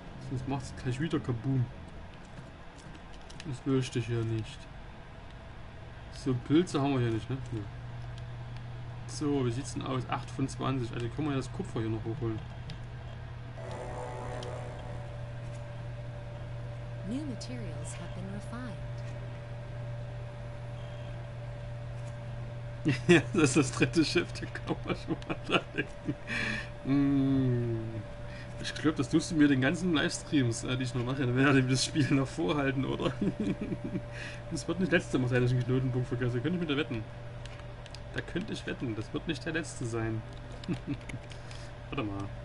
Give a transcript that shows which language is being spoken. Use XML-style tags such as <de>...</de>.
<de>sonst macht es gleich wieder Kaboom. Das möchte ich ja nicht. So, Pilze haben wir hier nicht, ne? Nee. So, wie sieht's denn aus? 8 von 20. Also können wir ja das Kupfer hier noch hochholen.</de> <en>New materials have been refined.</en> <de>Ja, das ist das dritte Schiff, da kann man schon mal dran denken. Ich glaube, das tust du mir den ganzen Livestreams, die ich noch mache, dann werde ich das Spiel noch vorhalten, oder? Das wird nicht das letzte Mal sein, dass ich einen Knotenpunkt vergesse. Könnte ich mit dir wetten? Da könnte ich wetten, das wird nicht der letzte sein. Warte mal.</de>